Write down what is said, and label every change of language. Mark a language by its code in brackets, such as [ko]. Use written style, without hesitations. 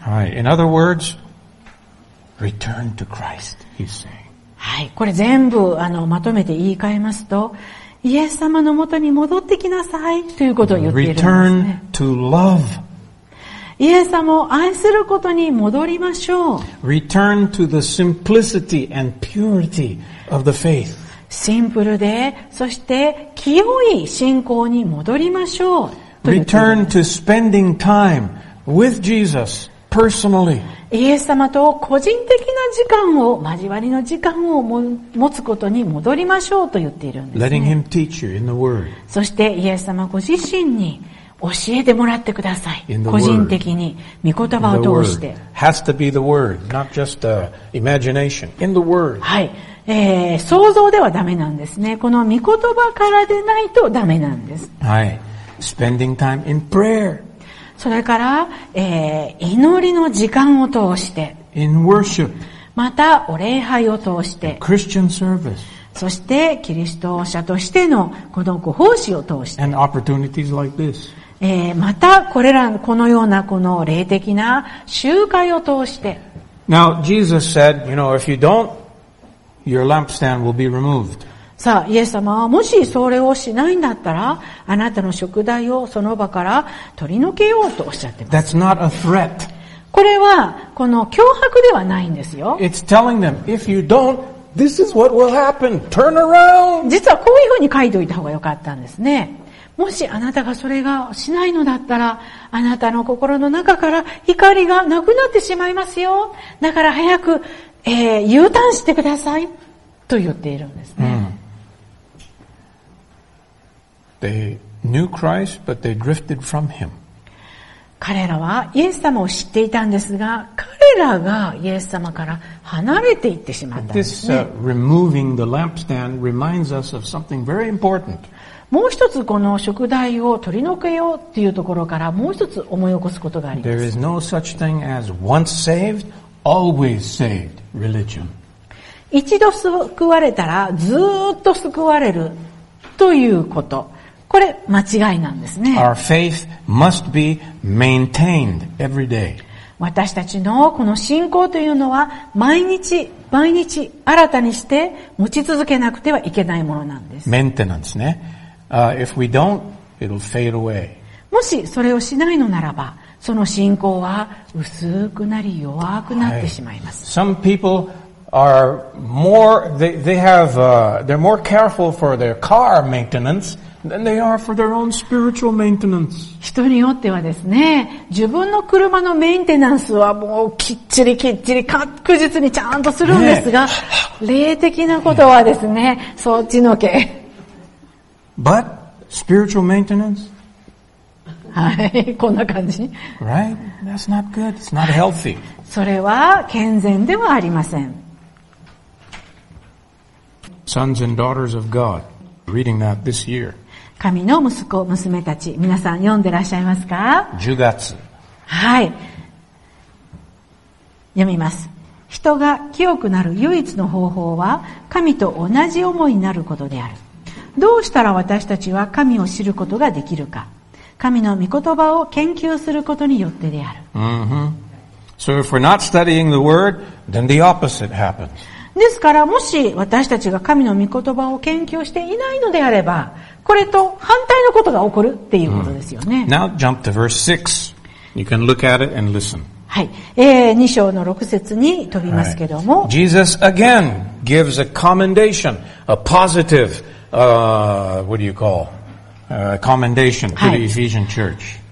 [ja] はい。 [en] In other words, return to Christ, he's saying. [ja] はい。これ全部まとめて言い換えますと、イエス様のもとに戻ってきなさいということを言っているんですね。 [en] Return to love. [ja] イエス様を愛することに戻りましょう。 [en] Return to the simplicity and purity of the faith. [ja] シンプルで、そして清い信仰に戻りましょう。 [en] Return to spending time with Jesus personally. [ja] イエス様と個人的な時間を、交わりの時間を持つことに戻りましょうと言っているんですね。 [en] Letting him teach you in the word. [ja] そしてイエス様ご自身に教えてもらってください。個人的に御言葉を通して。 [en] Has to be the word, not just imagination. In the word. [ja] はい、想像ではダメなんですね。この御言葉からでないとダメなんです。はい、 [en] spending time in prayer. [ja] それから、祈りの時間を通して。 [en] In worship. [ja] またお礼拝を通して。 [en] In Christian service. [ja] そしてキリスト者としてのこのご奉仕を通して、 [en] And opportunities like this. [ja] またこれらこのようなこの霊的な集会を通して、 [en] Now Jesus said, you know, if you don't, your lampstand will be removed. [ja] さあイエス様はもしそれをしないんだったら、あなたの燭台をその場から取り除けようとおっしゃってます。 [en] That's not a threat. [ja] これはこの脅迫ではないんですよ。 [en] It's telling them if you don't. This is what will happen. Turn around. [ja] 実はこういうふうに書いておいた方がよかったんですね。もしあなたがそれがしないのだったら、あなたの心の中から怒りがなくなってしまいますよ。だから早く、U ターンしてください。と言っているんですね。 [en] They knew Christ, but they drifted from him. [ja] 彼らはイエス様を知っていたんですが、彼らがイエス様から離れていってしまったんですね。 [en] This, removing the lampstand reminds us of something very important. [ja] もう一つこの食材を取り除けようっていうところからもう一つ思い起こすことがあります。 [en] There is no such thing as once saved, always saved religion. [ja] 一度救われたらずっと救われるということ。これ間違いなんですね。 [en] Our faith must be maintained every day. [ja] 私たちのこの信仰というのは毎日毎日新たにして持ち続けなくてはいけないものなんです。メンテナンスね。 [en] If we don't, it'll fade away. [ja] もしそれをしないのならば、その信仰は薄くなり弱くなってしまいます。 [en] Right. Some people are more, they're more careful for their car maintenance than they are for their own spiritual maintenance. [ja] 人によってはですね、自分の車のメンテナンスはもうきっちりきっちり確実にちゃんとするんですが、ね、霊的なことはですね、そっちのけ。 [en] But spiritual maintenance? [ja] こんな感じ。 [en] Right? That's not good. It's not healthy. [ja] それは健全ではありません。 [en] Sons and daughters of God, reading that this year. [ja] 神の息子、娘たち、皆さん読んでらっしゃいますか ?10月。はい。読みます。人が清くなる唯一の方法は、神と同じ思いになることである。どうしたら私たちは神を知ることができるか。神の御言葉を研究することによってである。 Mm-hmm. [en] So if we're not studying the word, then the opposite happens. [ja] ですから、もし私たちが神の御言葉を研究していないのであれば、これと反対のことが起こるっていうことですよね。 [en] Now jump to verse 6. You can look at it and listen. [ja] はい。 2章の6節に飛びますけども。 [en] Right. Jesus again gives a commendation, a positive,commendation to the Ephesian church.